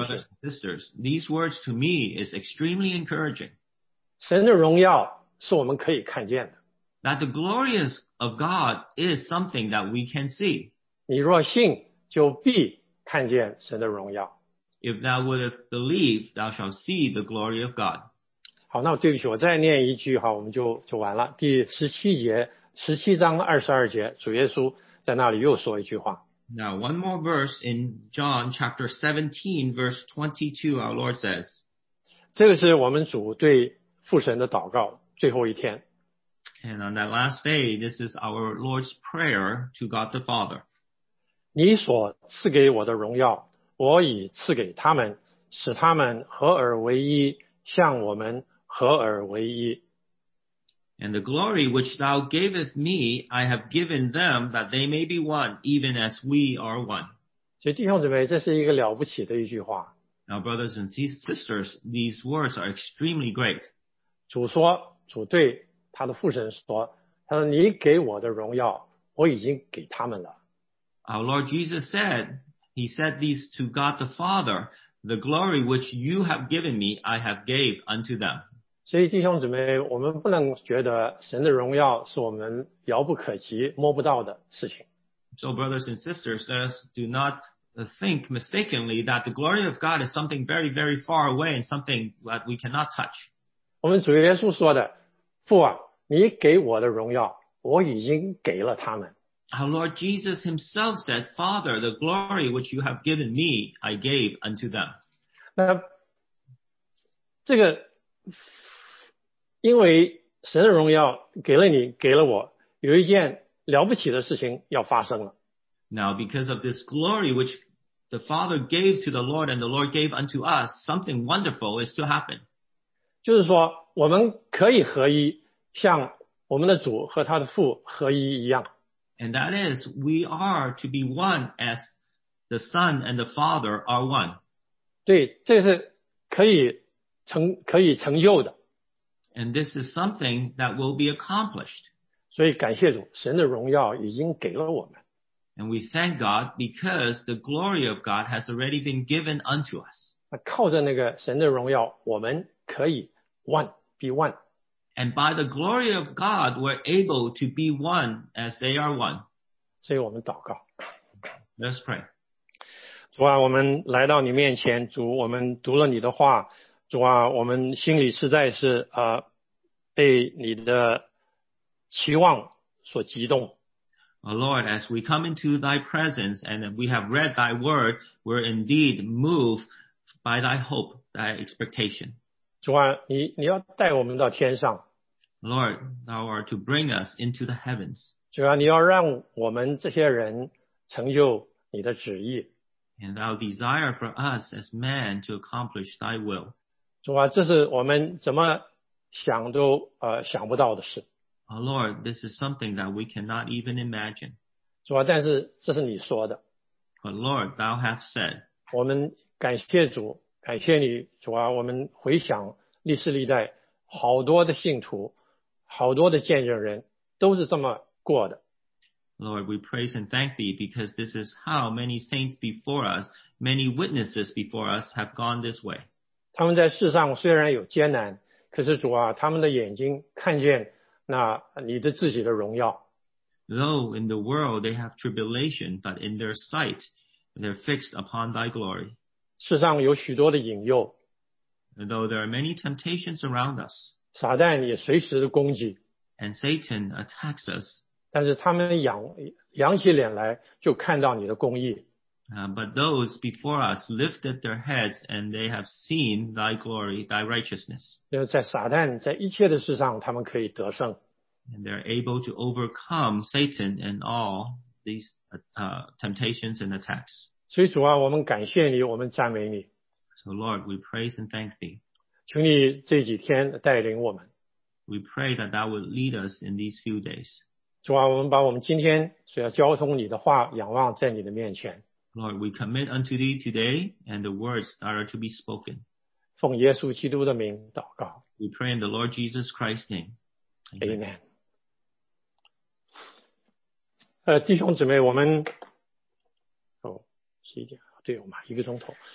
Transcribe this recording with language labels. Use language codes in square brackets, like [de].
[en] Brothers and sisters, these words to me is extremely encouraging. [zh] 神的荣耀是我们可以看见的。 [en] That the glorious of God is something that we can see. [zh] 你若信，就必看见神的荣耀。 [en] If thou wouldest believe, thou shalt see the glory of God. [zh] 好，那对不起，我再念一句哈，我们就完了。第十七节，十七章二十二节，主耶稣在那里又说一句话。 [en] Now, one more verse in John chapter 17, verse 22, our Lord says. [zh] 这个是我们主对父神的祷告，最后一天。 [en] And on that last day, this is our Lord's prayer to God the Father. [zh] 你所赐给我的荣耀，我已赐给他们，使他们合而为一，像我们合而为一。 [en] And the glory which thou gavest me, I have given them that they may be one, even as we are one. [zh] 所以弟兄姊妹，这是一个了不起的一句话。 [en] Now, brothers and sisters, these words are extremely great. [zh] 主说，主对他的父神说，他说你给我的荣耀，我已经给他们了。 [en] Our Lord Jesus said, he said these to God the Father, the glory which you have given me, I have gave unto them. [zh] 所以弟兄姊妹，我们不能觉得神的荣耀是我们遥不可及、摸不到的事情。 [en] So brothers and sisters, let us do not think mistakenly that the glory of God is something very, very far away and something that we cannot touch. [zh] 我们主耶稣说的，父啊，你给我的荣耀，我已经给了他们。 [en] Our Lord Jesus himself said, Father, the glory which you have given me, I gave unto them. [zh] 那这个，因为神的荣耀给了你，给了我，有一件了不起的事情要发生了。 [en] Now, because of this glory which the Father gave to the Lord and the Lord gave unto us, something wonderful is to happen. [zh] 就是说，我们可以合一，像我们的主和他的父合一一样。 [en] And that is, we are to be one as the Son and the Father are one. [zh] 对，这是可以成就的。 [en] And this is something that will be accomplished. [zh] 所以感谢主，神的荣耀已经给了我们。 [en] And we thank God because the glory of God has already been given unto us. [zh] 靠着那个神的荣耀，我们可以 [en] one, be one. And by the glory of God, we're able to be one as they are one. [zh] 所以我们祷告。 [en] Let's pray. [zh] 主啊，我们来到你面前，主，我们读了你的话，主啊，我们心里实在是被你的期望所激动。 [en] Lord, as we come into thy presence and we have read thy word, we're indeed moved by thy hope, thy expectation. [zh] 主啊，你要带我们到天上。 [en] Lord, thou art to bring us into the heavens. [zh] 主啊，你要让我们这些人成就你的旨意。 [en] And thou desire for us as men to accomplish thy will. [zh] 主啊，这是我们怎么想都想不到的事。 [en] Our Lord, this is something that we cannot even imagine. [zh] 主啊，但是这是你说的。 [en] But Lord, thou hast said. [zh] 我们感谢主，感谢你，主啊，我们回想历世历代，好多的信徒，好多的见证人，都是这么过的。 [en] Lord, we praise and thank thee because this is how many saints before us, many witnesses before us have gone this way. [zh] 他们在世上虽然有艰难，可是主啊，他们的眼睛看见那你的自己的荣耀。 [en] Though in the world they have tribulation, but in their sight they're fixed upon thy glory. [zh] 世上有许多的引诱。 [en] Though there are many temptations around us. [zh] 撒旦也随时的攻击。 [en] And Satan attacks us. [zh] 但是他们扬起脸来就看到你的公义。 [en] But those before us lifted their heads and they have seen thy glory, thy righteousness. [zh] 在撒旦在一切的事上他们可以得胜。 [en] And they're able to overcome Satan and all these temptations and attacks. [zh] 所以主啊，我们感谢你，我们赞美你。 [en] So Lord, we praise and thank thee. [zh] 求你这几天带领我们。 [en] We pray that thou would lead us in these few days. [zh] 主啊，我们把我们今天所要交通你的话仰望在你的面前。 [en] Lord, we commit unto thee today and the words that are to be spoken. [zh] 奉耶稣基督的名祷告。 [en] We pray in the Lord Jesus Christ's name. Amen. Amen. [zh] 弟兄姊妹，我们哦，十一点，对，我们一个钟头。